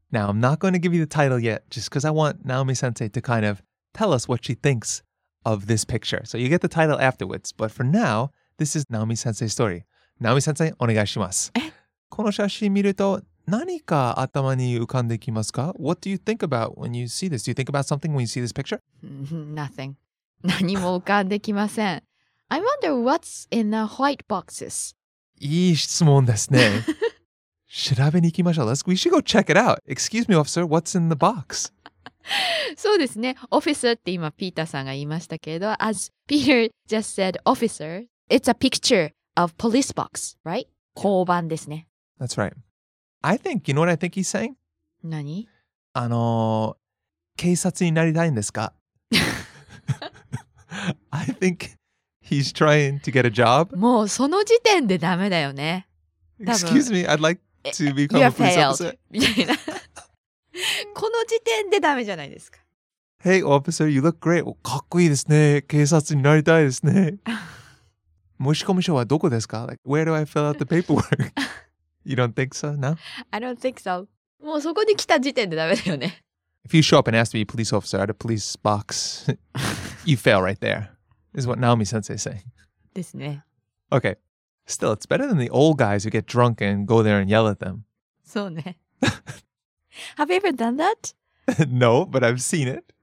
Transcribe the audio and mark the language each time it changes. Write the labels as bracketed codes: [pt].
[en] Now I'm not going to give you the title yet just because I want Naomi-sensei to kind of tell us what she thinks of this picture. So you get the title afterwards. But for now, this is Naomi-sensei's story. [ja] Naomi-sensei, お願いします。この写真見ると何か頭に浮かんできますか? [en] What do you think about when you see this? Do you think about something when you see this picture? Nothing. [ja] 何も浮かんできません。 [en] I wonder what's in the white boxes? [ja] いい質問ですね。調べに行きましょう。 [en] We should go check it out. Excuse me, officer. What's in the box? [ja] そうですね。Officer って今ピーターさんが言いましたけど、 [en] As Peter just said, officer, it's a picture of police box, right? [ja] 交番ですね。 [en] That's right. I think, you know what I think he's saying? [ja] 何? 警察になりたいんですか? [en] I think... He's trying to get a job. [ja] もうその時点でダメだよね。 [en] Excuse me, I'd like to become a police officer. [ja] みたいな。この時点でダメじゃないですか。 [en] Hey, officer, you look great. [ja] かっこいいですね。警察になりたいですね。申し込み書はどこですか? [en] Like, where do I fill out the paperwork? You don't think so, no? I don't think so. [ja] もうそこに来た時点でダメだよね。 [en] If you show up and ask to be a police officer at a police box, you fail right there. Is what Naomi-sensei is saying. [ja] ですね。 [en] Okay. Still, it's better than the old guys who get drunk and go there and yell at them. [ja] そうね。 [en] Have you ever done that? No, but I've seen it.